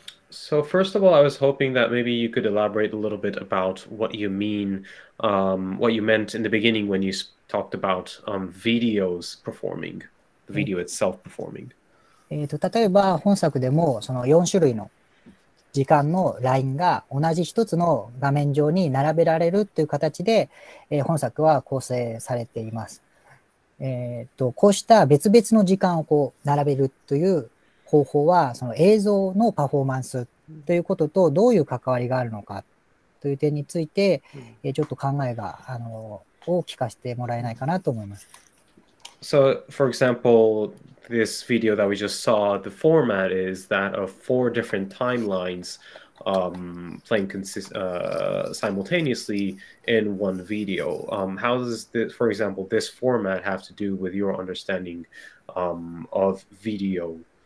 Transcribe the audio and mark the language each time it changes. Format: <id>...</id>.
<en>So first of all, I was hoping that maybe you could elaborate a little bit about what you mean, what you meant in the beginning when you talked about videos performing, the video itself performing.</en> <ja>例えば本作でもその4種類の時間のラインが同じ一つの画面上に並べられるという形で、本作は構成されています。こうした別々の時間をこう並べるという方法はその映像のパフォーマンスということとどういう関わりがあるのかという点についてちょっと考えが大きくしてもらえないかなと思います。</ja> <en>So, for example, this video that we just saw, the format is that of four different timelines playing simultaneously in one video. How does this, for example, this format have to do with your understanding of video?</en>